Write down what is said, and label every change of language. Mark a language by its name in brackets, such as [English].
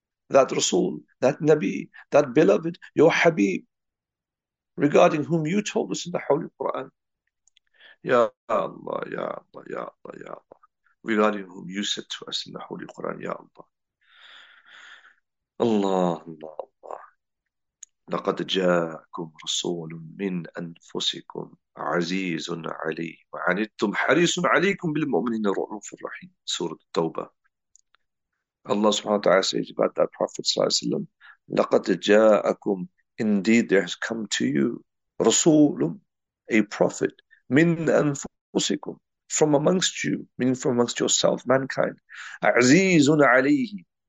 [English] That Rasul, that Nabi, that beloved, your Habib, regarding whom you told us in the Holy Quran. Ya Allah, Ya Allah, Ya Allah, Ya Allah. Regarding whom you said to us in the Holy Quran, Ya Allah. Allah, Allah, Allah. [Arabic] لقد جاءكم رسول من أنفسكم عزيز عليه وعنتم حريص عليكم بالمؤمنين رؤوف رحيم. سورة التوبة. [English] Allah subhanahu wa ta'ala says about that Prophet sallallahu alayhi wa sallam, [Arabic] لقد جاءكم, [English] indeed there has come to you رسول, a prophet, [Arabic] من أنفسكم, [English] from amongst you, meaning from amongst yourself, mankind. [Arabic] عزيزٌ عليه.